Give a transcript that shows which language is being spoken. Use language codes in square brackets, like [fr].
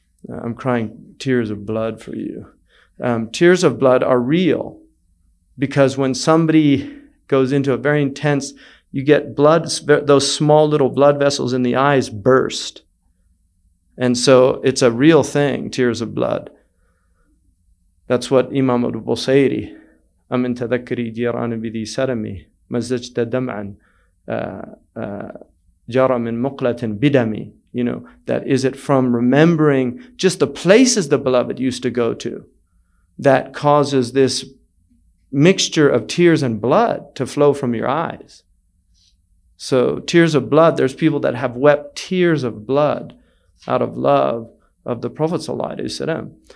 [en] I'm crying tears of blood for you. Tears of blood are real, because when somebody goes into a very intense, you get blood, those small little blood vessels in the eyes burst. And so it's a real thing, tears of blood. [ar] That's what Imam al-Busayri, أَمِنْ تَذَكَّرِي جِيرَانِ بِذِي سَرَمِي مَزَّجْتَ دَمْعًا جَرَ مِنْ مُقْلَةٍ بِدَمِي. [en] You know, that is it from remembering just the places the beloved used to go to that causes this mixture of tears and blood to flow from your eyes. So tears of blood, there's people that have wept tears of blood out of love of the Prophet ﷺ.